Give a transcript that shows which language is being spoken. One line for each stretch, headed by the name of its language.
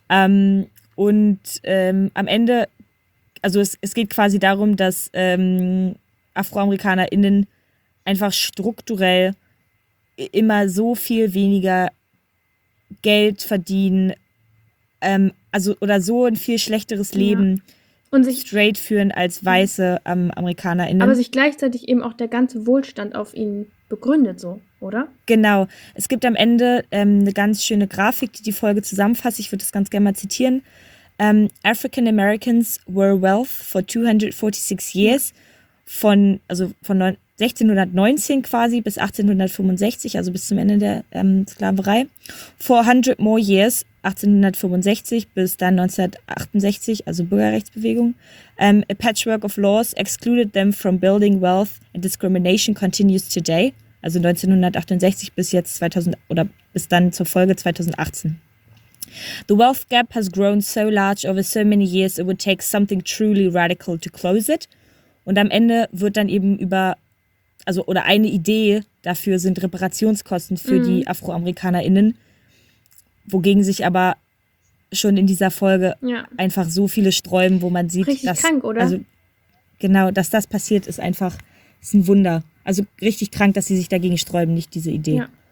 German: Am Ende, also es geht quasi darum, dass AfroamerikanerInnen einfach strukturell immer so viel weniger Geld verdienen, oder so ein viel schlechteres Leben. Ja. Und sich straight führen als weiße AmerikanerInnen. Aber sich gleichzeitig eben auch der ganze Wohlstand auf ihn begründet, so, oder? Genau. Es gibt am Ende eine ganz schöne Grafik, die die Folge zusammenfasst. Ich würde das ganz gerne mal zitieren.
English: African Americans were wealth for 246 years.
German: Von 1619 quasi bis 1865, also bis zum Ende der Sklaverei.
English: 400 more years.
German: 1865 bis dann 1968, also Bürgerrechtsbewegung.
English: A patchwork of laws excluded them from building wealth and discrimination continues today.
German: Also 1968 bis jetzt bis dann zur Folge 2018.
English: The wealth gap has grown so large over so many years, it would take something truly radical to close it.
German: Und am Ende wird dann eben eine Idee dafür sind Reparationskosten für die AfroamerikanerInnen. Wogegen sich aber schon in dieser Folge einfach so viele sträuben, wo man sieht, richtig dass, krank, oder? Also, genau, dass das passiert, ist einfach ist ein Wunder. Also richtig krank, dass sie sich dagegen sträuben, nicht diese Idee.